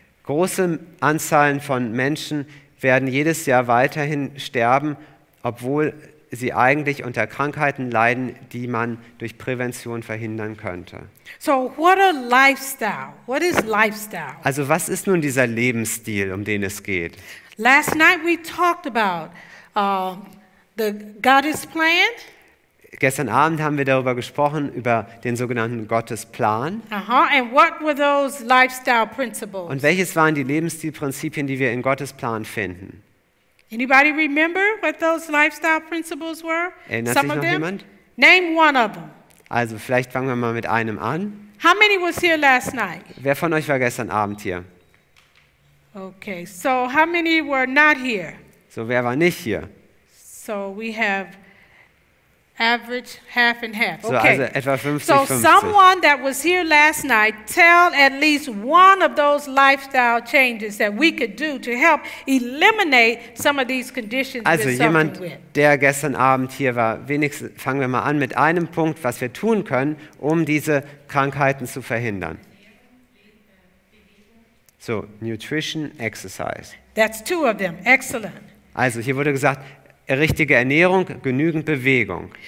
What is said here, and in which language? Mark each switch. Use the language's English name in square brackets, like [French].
[German] Große Anzahlen von Menschen werden jedes Jahr weiterhin sterben, obwohl sie eigentlich unter Krankheiten leiden, die man durch Prävention verhindern könnte. [English] So what a lifestyle. What is lifestyle? [German] Also was ist nun dieser Lebensstil, um den es geht? [English] Last night we talked about the God's plan. [German] Gestern Abend haben wir darüber gesprochen, über den sogenannten Gottesplan. [English] Uh-huh. And what were those lifestyle principles? [German] Und welches waren die Lebensstilprinzipien, die wir in Gottesplan finden? [English] Anybody remember what those lifestyle principles were? [German] Erinnert sich noch jemand? [English] Name one of them. [German] Also vielleicht fangen wir mal mit einem an. [English] How many was here last night? [German] Wer von euch war gestern Abend hier? [English] Okay, so how many were not here? [German] So wer war nicht hier? [English] So we have average half and half. So okay. [German] Also etwa 50-50. [English] So someone that was here last night, tell at least one of those lifestyle changes that we could do to help eliminate some of these conditions. [German] Also jemand, der gestern Abend hier war, wenigstens fangen wir mal an mit einem Punkt, was wir tun können, um diese Krankheiten zu verhindern. [English] So nutrition, exercise. That's two of them. Excellent. [German] Also hier wurde gesagt, richtige Ernährung, genügend Bewegung.